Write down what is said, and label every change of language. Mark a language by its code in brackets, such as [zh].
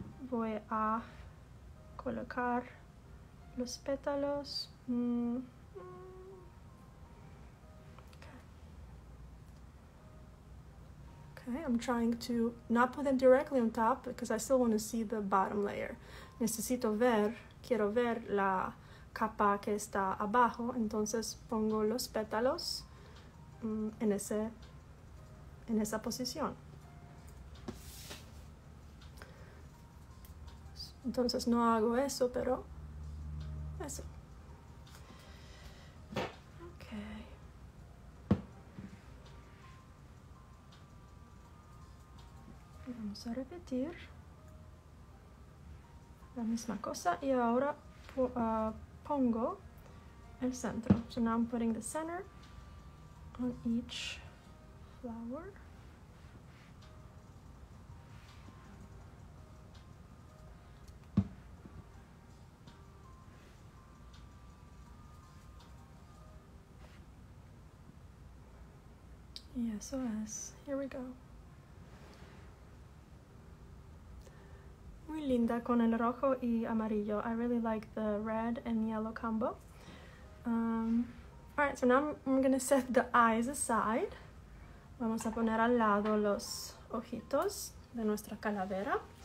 [es] Voy a colocar los pétalos. [en] Okay, I'm trying to not put them directly on top because I still want to see the bottom layer. [es] Necesito ver, quiero ver la capa que está abajo, entonces pongo los pétalos en esa posición. Entonces no hago eso, pero eso. Okay. Vamos a repetir la misma cosa y ahora pongo el centro. [en] So now I'm putting the center on each flower. Yes, OS. Here we go. [es] Muy linda con el rojo y amarillo. [en] I really like the red and yellow combo. All right, so now I'm gonna set the eyes aside. [es] Vamos a poner al lado los ojitos de nuestra calavera.